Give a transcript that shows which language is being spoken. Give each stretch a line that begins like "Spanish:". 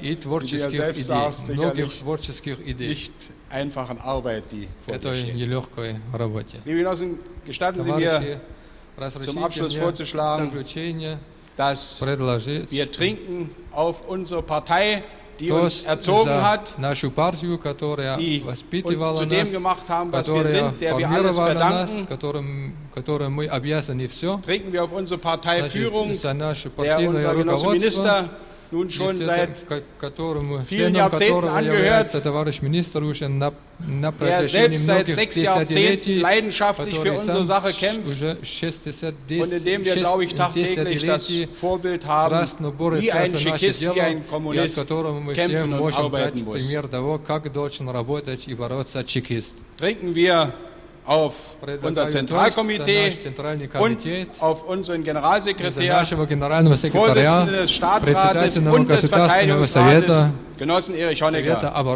German: wie du selbst sagst, sicherlich nicht einfachen Arbeit, die vor dir steht. Liebe Genossen, gestatten Sie mir, zum Abschluss vorzuschlagen, dass wir trinken auf unsere Partei die uns erzogen hat,
Russian: нашу партию, которая воспитывала
German: uns zu dem gemacht haben, was wir sind, der wir alles verdanken,
Russian: которым мы обязаны все,
German: trinken wir auf unsere Parteiführung,
Russian: значит,
German: der unser Genosse Minister nun schon seit vielen Jahrzehnten angehört, der selbst seit 6 Jahrzehnten leidenschaftlich für unsere Sache kämpft und in dem wir, glaube ich, tagtäglich das Vorbild haben, wie ein Schekist, wie ein Kommunist kämpfen und arbeiten muss.
Russian: Того, как должен работать и бороться чекист.
German: Trinken wir auf unser Zentralkomitee und auf unseren Generalsekretär, Vorsitzenden des Staatsrates und des Verteidigungsrates, Genossen Erich Honecker.